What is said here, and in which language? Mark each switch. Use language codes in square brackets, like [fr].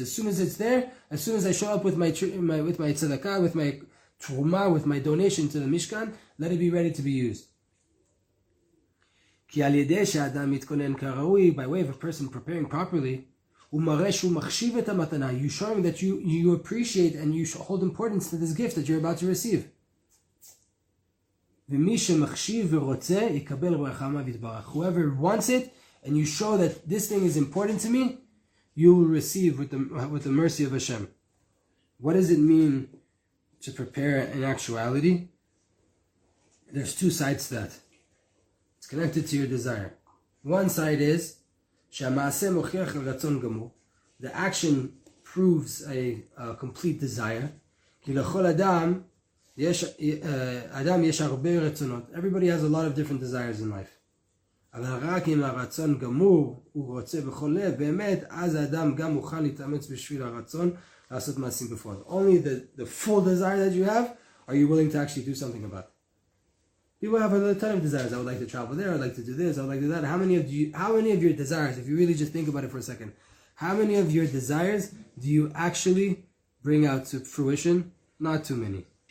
[en] As soon as it's there, as soon as I show up with my tzedakah, with my truma, with my donation to the Mishkan, let it be ready to be used. [he] כי על ידי שאדם מתכונן כראוי, [en] by way of a person preparing properly, [he] ומראה שהוא מחשיב את המתנה, [en] you show him that you appreciate and you hold importance to this gift that you're about to receive. [he] ומי שמחשיב ורוצה, יקבל רחמה ויתברך. [en] Whoever wants it, and you show that this thing is important to me, you will receive with the mercy of Hashem. What does it mean to prepare in actuality? There's two sides to that. Connected to your desire. One side is [he] שהמעשה מוכיח רצון גמור. [en] The action proves a complete desire. [he] כי לכל אדם יש הרבה רצונות. [en] Everybody has a lot of different desires in life. [he] אבל רק אם הרצון גמור הוא רוצה בכל לב, באמת, אז האדם גם מוכן להתאמץ בשביל הרצון לעשות מעשים בפועל. [en] Only the full desire that you have, are you willing to actually do something about it? People have a ton of desires. I would like to travel there. I would like to do this. I would like to do that. How many of your desires, if you really just think about it for a second, how many of your desires do you actually bring out to fruition? Not too many.